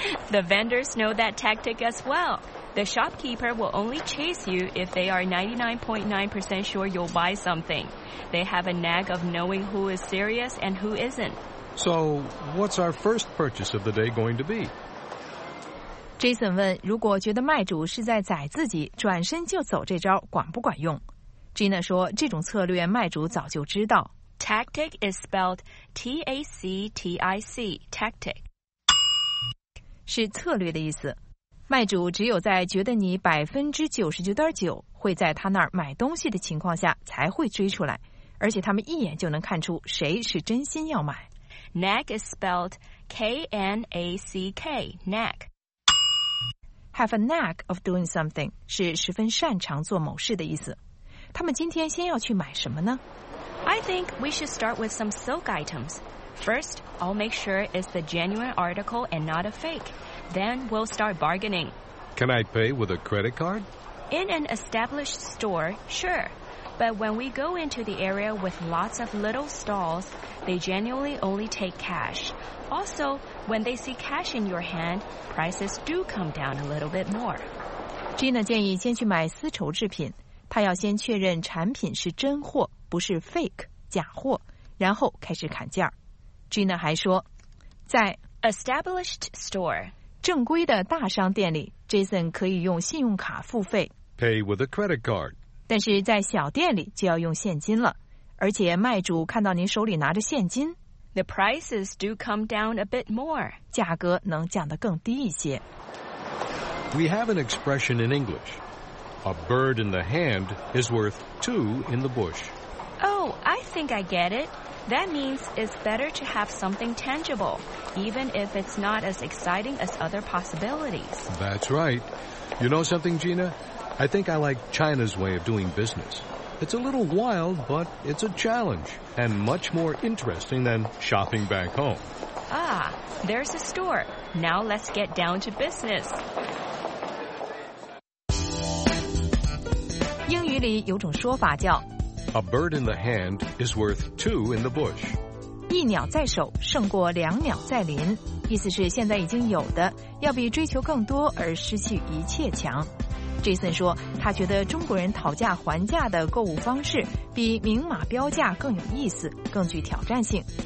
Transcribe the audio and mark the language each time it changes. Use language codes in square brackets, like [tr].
[en] The vendors know that tactic as well. The shopkeeper will only chase you if they are 99.9% sure you'll buy something. They have a knack of knowing who is serious and who isn't. So, what's our first purchase of the day going to be? [zh] Jason 问，如果觉得卖主是在宰自己，转身就走这招管不管用？ Gina 说，这种策略卖主早就知道。 [en] Tactic is spelled T-A-C-T-I-C, tactic. [zh] 是策略的意思。卖主只有在觉得你 99.9% 会在他那儿买东西的情况下才会追出来，而且他们一眼就能看出谁是真心要买。 [en] Knack is spelled K-N-A-C-K, knack. Have a knack of doing something [zh] 是十分擅长做某事的意思。他们今天先要去买什么呢？ [en] I think we should start with some silk items. First, I'll make sure it's the genuine article and not a fake. Then we'll start bargaining. Can I pay with a credit card? In an established store, sure. But when we go into the area with lots of little stalls, they genuinely only take cash. Also,When they see cash in your hand, prices do come down a little bit more. [zh] Gina 建议先去买丝绸制品，她要先确认产品是真货，不是 fake, 假货，然后开始砍价。 Gina 还说，在 [en] established store, [zh] 正规的大商店里， Jason 可以用信用卡付费 [en] pay with a credit card. [zh] 但是在小店里就要用现金了，而且卖主看到您手里拿着现金 [en] The prices do come down a bit more. [zh] 价格能降得更低一些。 [en] We have an expression in English. A bird in the hand is worth two in the bush. Oh, I think I get it. That means it's better to have something tangible, even if it's not as exciting as other possibilities. That's right. You know something, Gina? I think I like China's way of doing business. It's a little wild, but it's a challenge, and much more interesting than shopping back home. Ah, there's a store. Now let's get down to business. [zh] 英语里有种说法叫 [en] A bird in the hand is worth two in the bush. [zh] 一鸟在手胜过两鸟在林，意思是现在已经有的，要比追求更多而失去一切强。 Jason 说，他觉得中国人讨价还价的购物方式比明码标价更有意思，更具挑战性。